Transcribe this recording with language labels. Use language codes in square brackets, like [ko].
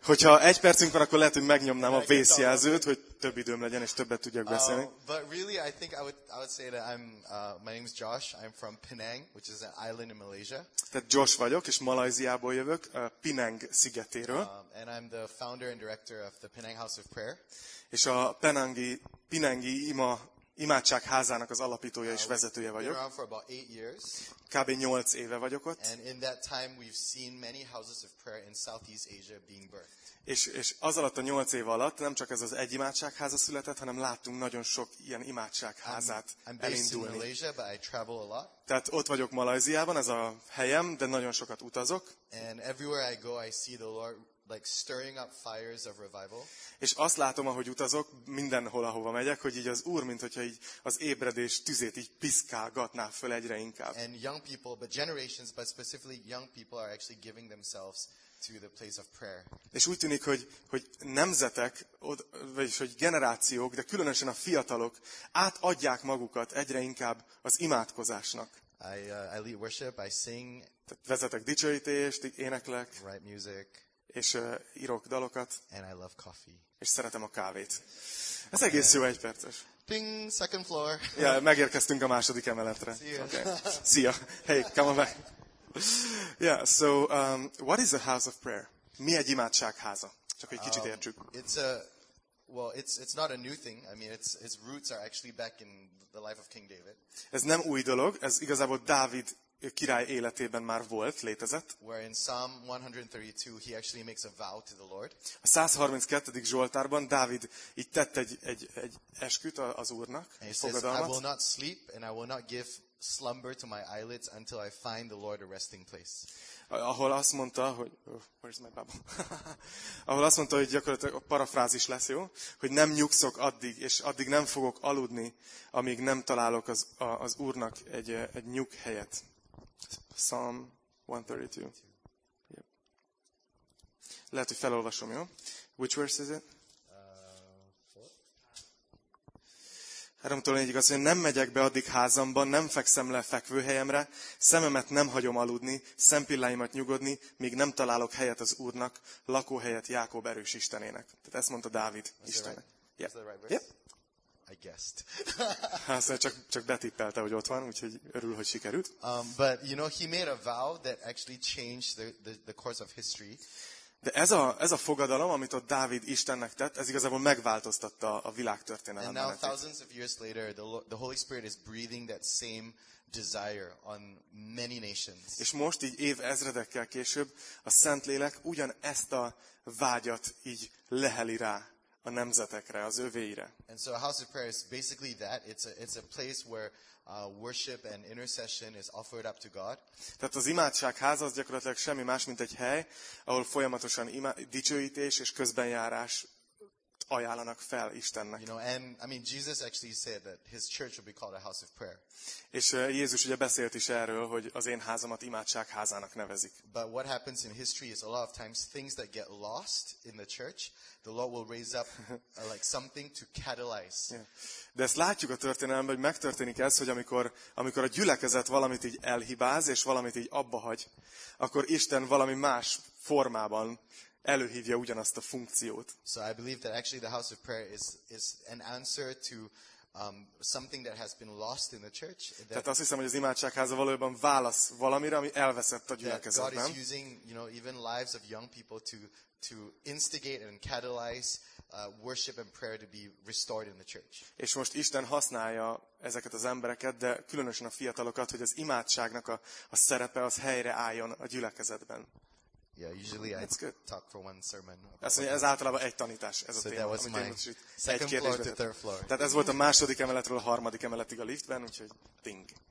[hu] Hogyha egy percünk van, akkor lehet, hogy megnyomnám a vészjelzőt, hogy több időm legyen és többet tudjak beszélni. [en] But really, I think I would say that I'm my name is Josh. I'm from Penang, which is an island in Malaysia. [hu] Tehát Josh vagyok és Malajziából jövök, Penang szigetéről. [en] And I'm the founder and director of the Penang House of Prayer. [hu] És a Penangi ima Imádság házának az alapítója és vezetője vagyok. Kb. 8 éve vagyok ott. [en] And in that time we've seen many houses of prayer in Southeast Asia being birthed. [hu] És az alatt a 8 év alatt nem csak ez az egy imádságháza született, hanem láttunk nagyon sok ilyen imádságházát elindulni. [en] I'm based in Malaysia, but I travel a lot. [hu] Tehát ott vagyok Malajziában, ez a helyem, de nagyon sokat utazok. [en] And everywhere I go, I see the Lord like stirring up fires of revival. [hu] És azt látom, ahogy utazok, mindenhol, ahova megyek, hogy így az Úr, mintha így az ébredés tüzét így piszkálgatná föl egyre inkább. [en] And young people, but generations, but specifically young people are actually giving themselves to the place of prayer. [hu] És úgy tűnik, hogy nemzetek, vagyis hogy generációk, de különösen a fiatalok átadják magukat egyre inkább az imádkozásnak. [en] I lead worship, I sing. [hu] Tehát vezetek dicsőítést, éneklek. [en] Write music. [hu] És írok dalokat. [en] And I love coffee. [hu] És szeretem a kávét. Ez egész jó egyperces. [en] Ping, second floor. [hu] Ja, megérkeztünk a második emeletre. [en] See okay. See ya. Hey, come on back. Yeah, so what is a house of prayer? [hu] Mi egy imádságháza? Csak egy kicsit értsük. [en] It's not a new thing. I mean, its roots are actually back in the life of King David. [hu] Ez nem új dolog, ez igazából Dávid király életében már volt, létezett. [en] Where in Psalm 132 he actually makes a vow to the Lord. [hu] A 132. Zsoltárban Dávid így tett egy esküt az Úrnak, [en] and he [hu] fogadalmat. [en] Says, I will not sleep and I will not give slumber to my eyelids until I find the Lord a resting place. [hu] Ahol azt mondta, hogy [en] where's my Bible? [hu] Ahol azt mondta, hogy gyakorlatilag a parafrázis lesz, jó? Hogy nem nyugszok addig, és addig nem fogok aludni, amíg nem találok az Úrnak egy nyughelyet. [en] Psalm 132. Yep. [hu] Lehet, hogy felolvasom, jó? [en] Which verse is it? [hu] 3-4-ig az, hogy nem megyek be addig házamban, nem fekszem le fekvőhelyemre, szememet nem hagyom aludni, szempilláimat nyugodni, míg nem találok helyet az Úrnak, lakóhelyet Jákob erős Istenének. Tehát ezt mondta Dávid Istennek. [en] Is that right? Yep. Is that right verse? Yep. I guessed. [hu] Aztán csak betippelte, hogy ott van, úgyhogy örül, hogy sikerült. [en] But you know, he made a vow that actually changed the course of history. [hu] De ez a fogadalom, amit ott Dávid Istennek tett, ez igazából megváltoztatta a világ történelmét. [en] And now thousands of years later, the Holy Spirit is breathing that same desire on many nations. [hu] És most így év ezredekkel később a Szentlélek ugyan ezt a vágyat így leheli rá a nemzetekre, az övéire. [en] And so a house of prayer is basically that. It's a place where worship and intercession is offered up to God. [hu] Tehát az imádságház az gyakorlatilag semmi más, mint egy hely, ahol folyamatosan dicsőítés és közbenjárás ajánlanak fel Istennek. [en] You know, and I mean, Jesus actually said that his church will be called a house of prayer. [hu] És Jézus ugye beszélt is erről, hogy az én házamat imádságházának nevezik. [en] But what happens in history is a lot of times things that get lost in the church, the Lord will raise up like something to catalyze. Yeah. [hu] De ezt látjuk a történelemben, hogy megtörténik ez, hogy amikor a gyülekezet valamit így elhibáz és valamit így abbahagy, akkor Isten valami más formában előhívja ugyanazt a funkciót. [en] So I believe that actually the house of prayer is an answer to something that has been lost in the church. [hu] Tehát azt hiszem, hogy az imádságháza valójában válasz valamire, ami elveszett a gyülekezetben. [en] God is using, you know, even lives of young people to instigate and catalyze worship and prayer to be restored in the church. [hu] És most Isten használja ezeket az embereket, de különösen a fiatalokat, hogy az imádságnak a szerepe az helyre álljon a gyülekezetben. [en] Yeah, usually I talk for one sermon. [hu] Ez általában egy tanítás, ez a téma. [en] So that was my second floor to third floor. [hu] Tehát ez volt a második emeletről a harmadik emeletig a liftben, úgyhogy ding.